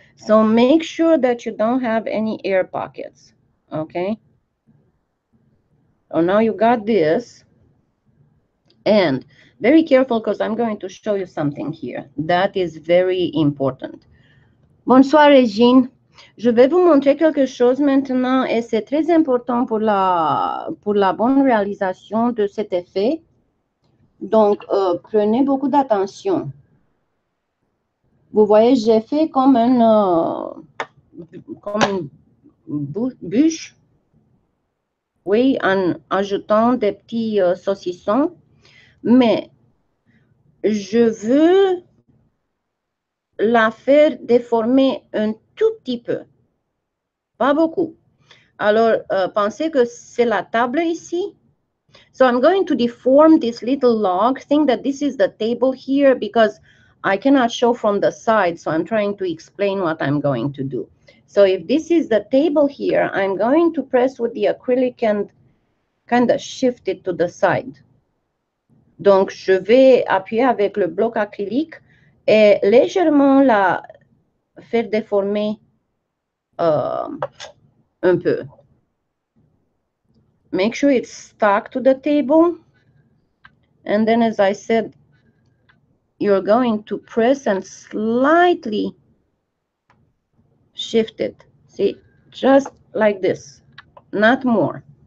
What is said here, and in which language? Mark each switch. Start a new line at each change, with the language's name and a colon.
English: So make sure that you don't have any air pockets, okay? Oh, now you got this. And very careful, because I'm going to show you something here that is very important.
French: Bonsoir, Régine. Je vais vous montrer quelque chose maintenant et c'est très important pour la bonne réalisation de cet effet. Donc, prenez beaucoup d'attention. Vous voyez, j'ai fait comme une bûche. Oui, en ajoutant des petits saucissons. Mais je veux la faire déformer un tout petit peu. Pas beaucoup. Alors, pensez que c'est la table ici.
English: So I'm going to deform this little log. Think that this is the table here because I cannot show from the side. So I'm trying to explain what I'm going to do. So if this is the table here, I'm going to press with the acrylic and kind of shift it to the side.
French: Donc, je vais appuyer avec le bloc acrylique et légèrement la faire déformer un peu.
English: Make sure it's stuck to the table. And then, as I said, you're going to press and slightly shift it. See, just like this, not more.